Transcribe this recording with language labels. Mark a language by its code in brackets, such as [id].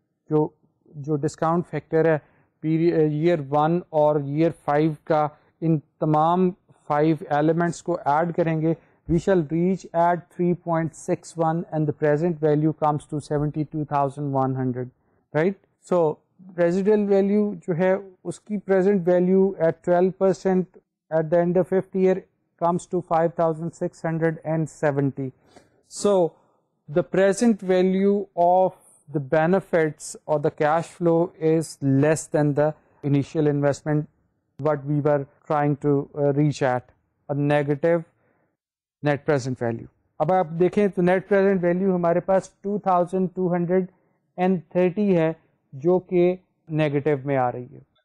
[ur] جو discount factor ہے year 1 اور ایئر 5 کا, ان تمام 5 ایلیمنٹس کو ایڈ کریں گے [en] we shall reach at 3.61 and the present value comes to 72,100, right? So residual value [ur] jo hai uski [en] present value at 12% at the end of 5th year comes to 5,670. So the present value of the benefits or the cash flow is less than the initial investment what we were trying to reach at, a negative net present value. [ur] اب آپ دیکھیں تو net present value ہمارے پاس 2,230 ہے جو کہ negative میں آ رہی ہے.